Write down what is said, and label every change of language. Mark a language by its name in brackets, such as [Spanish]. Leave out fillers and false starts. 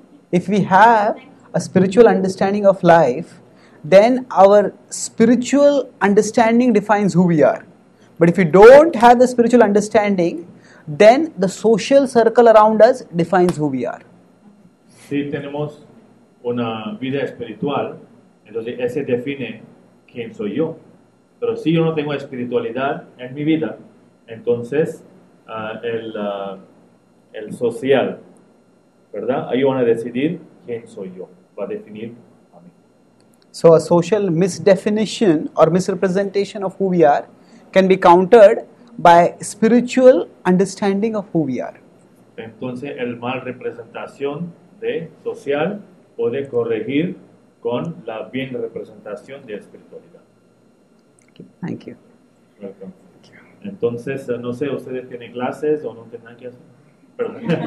[English] If we have a spiritual understanding of life, then our spiritual understanding defines who we are. But if we don't have the spiritual understanding, then the social circle around us defines who we are. [Spanish] Si tenemos una vida espiritual, entonces ese define quién soy yo. Pero si yo no tengo espiritualidad en mi vida, entonces, el social, ¿verdad? Ahí van a decidir quién soy yo. Va a definir a mí. [English] So, a social misdefinition or misrepresentation of who we are can be countered by spiritual understanding of who we are. [Spanish] Entonces, el mal representación de social puede corregir con la bien representación de espiritualidad. [English] Okay, thank you. Welcome. [Spanish] Entonces, no sé, ¿ustedes tienen clases o no tendrán que hacer? Perdón.